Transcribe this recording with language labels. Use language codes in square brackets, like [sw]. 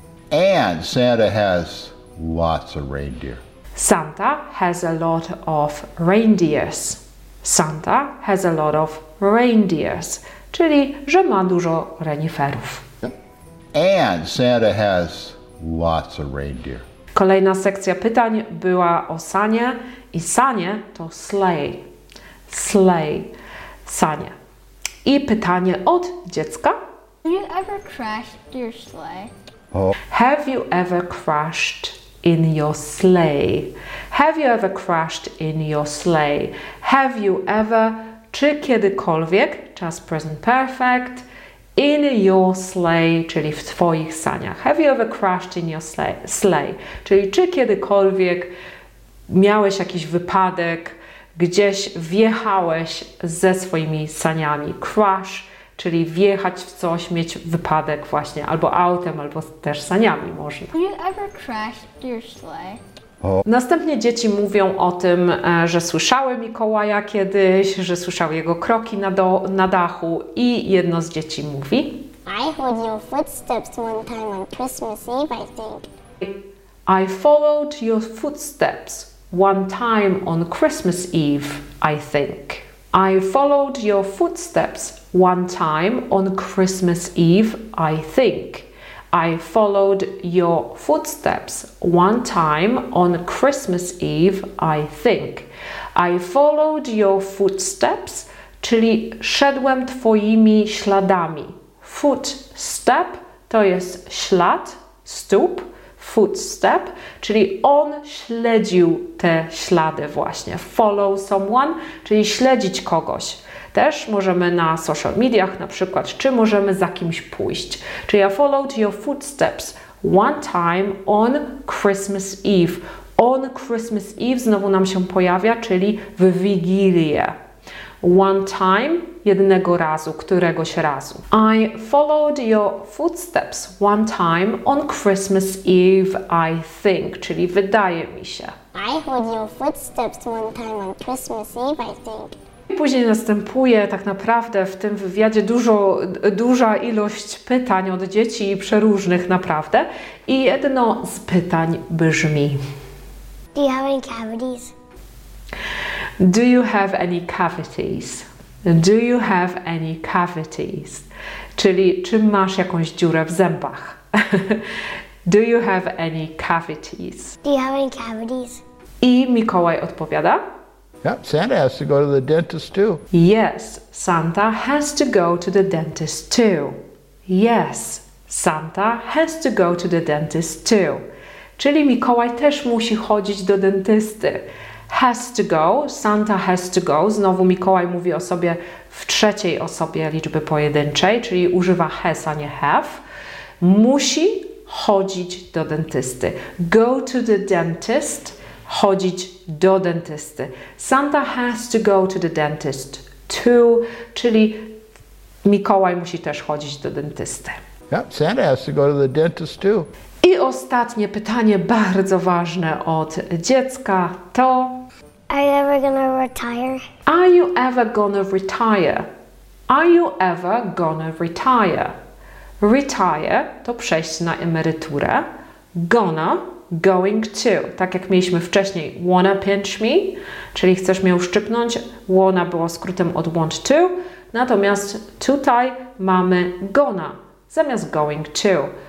[en] And Santa has lots of reindeer. Santa has a lot of reindeers. Santa has a lot of reindeers. [pl] Czyli, że ma dużo reniferów. [en] And Santa has lots of reindeer. [pl] Kolejna sekcja pytań była o sanie i sanie to sleigh. Sleigh. Sanie. I pytanie od dziecka. [en] Have you ever crashed your sleigh? Have you ever crashed in your sleigh? Have you ever crashed in your sleigh? Have you ever, [pl] czy kiedykolwiek, czas [en] present perfect, in your sleigh, [pl] czyli w twoich saniach. [en] Have you ever crashed in your sleigh? [pl] Czyli czy kiedykolwiek miałeś jakiś wypadek, gdzieś wjechałeś ze swoimi saniami? Crash, czyli wjechać w coś, mieć wypadek właśnie, albo autem, albo też saniami można. [en] Have you ever crashed your sleigh? [pl] Następnie dzieci mówią o tym, że słyszały Mikołaja kiedyś, że słyszały jego kroki na dachu i jedno z dzieci mówi. [en] I heard your footsteps one time on Christmas Eve, I think. I followed your footsteps one time on Christmas Eve, I think. I followed your footsteps one time on Christmas Eve, I think. I followed your footsteps one time on Christmas Eve, I think. I followed your footsteps, [pl] czyli szedłem twoimi śladami. Footstep to jest ślad, stóp, footstep, czyli on śledził te ślady właśnie. Follow someone, czyli śledzić kogoś. Też możemy na social mediach na przykład, czy możemy za kimś pójść. Czyli [en] I followed your footsteps one time on Christmas Eve. On Christmas Eve [pl] znowu nam się pojawia, czyli w Wigilię. [en] One time, [pl] jednego razu, któregoś razu. [en] I followed your footsteps one time on Christmas Eve, I think. [pl] Czyli wydaje mi się. [en] I heard your footsteps one time on Christmas Eve, I think. [pl] I później następuje tak naprawdę w tym wywiadzie duża ilość pytań od dzieci, przeróżnych naprawdę. I jedno z pytań brzmi. [en] Do you have any cavities? Do you have any cavities? Do you have any cavities? Czyli czy masz jakąś dziurę w zębach? Do you have any cavities? Do you have any cavities? [pl] I Mikołaj odpowiada. [en] Yep, Santa has to go to the dentist too. Yes, Santa has to go to the dentist too. Yes, Santa has to go to the dentist too. [pl] Czyli Mikołaj też musi chodzić do dentysty. [en] Has to go, Santa has to go. [pl] Znowu Mikołaj mówi o sobie w trzeciej osobie liczby pojedynczej, czyli używa has, a nie have. Musi chodzić do dentysty. [en] Go to the dentist, [pl] chodzić do dentysty. [en] Santa has to go to the dentist too, [pl] czyli Mikołaj musi też chodzić do dentysty. [en] Yep, Santa has to go to the dentist too. [pl] I ostatnie pytanie, bardzo ważne od dziecka, to... [en] Are you ever gonna retire? Are you ever gonna retire? Are you ever gonna retire? [pl] Retire to przejść na emeryturę. [en] Gonna, going to. [pl] Tak jak mieliśmy wcześniej, [en] wanna pinch me, [pl] czyli chcesz mnie uszczypnąć. Wanna było skrótem od [en] want to. [pl] Natomiast tutaj mamy gonna zamiast [en] going to.